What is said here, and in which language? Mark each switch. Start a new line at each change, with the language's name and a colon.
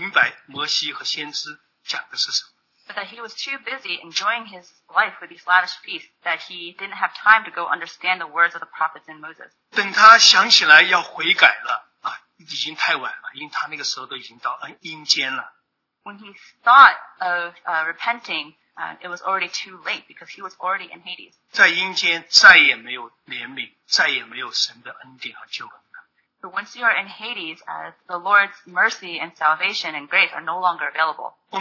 Chinese: 只是因为他平时间太忙嘛，太忙于奢华宴乐，他没有时间去寻找明白摩西和先知讲的是什么。
English: But that he was too busy enjoying his life with these lavish feasts that he didn't have time to go understand the words of the prophets and Moses.
Chinese: 等他想起来要悔改了，已经太晚了，因为他那个时候都已经到阴间了。
English: When he thought of repenting, it was already too late because he was already in Hades.
Chinese: 在阴间再也没有怜悯，再也没有神的恩典和救恩了。
English: So once you are in Hades, the Lord's mercy and salvation and grace are no longer available.